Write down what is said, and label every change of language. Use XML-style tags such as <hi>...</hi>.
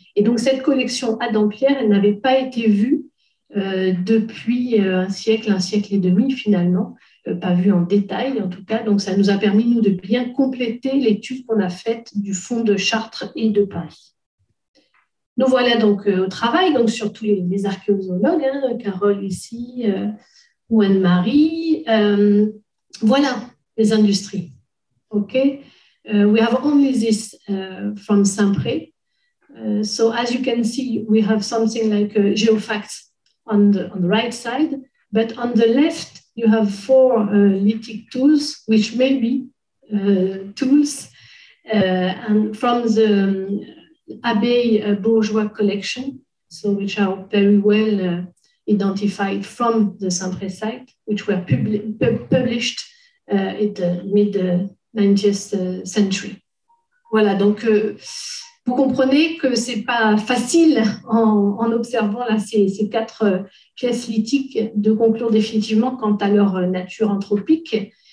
<fr>Et donc, cette collection à Dampierre, elle n'avait pas été vue depuis un siècle et demi finalement, pas vu en détail en tout cas, donc ça nous a permis nous de bien compléter l'étude qu'on a faite du fonds de Chartres et de Paris. Nous voilà donc au travail, donc surtout les archéozoologues, hein, Carole ici, ou Anne-Marie, voilà les industries, ok.</fr> <en>We have only this from Saint-Pré, so as you can see, we have something like geofacts on the right side, but on the left, you have four lithic tools, which may be tools and from the Abbey Bourgeois collection, so which are very well identified from the Saint-Pré site, which were published in the mid-19th century.</en> <fr>Voilà, donc vous comprenez que ce n'est pas facile en observant là, ces quatre pièces lithiques de conclure définitivement quant à leur nature anthropique.</fr>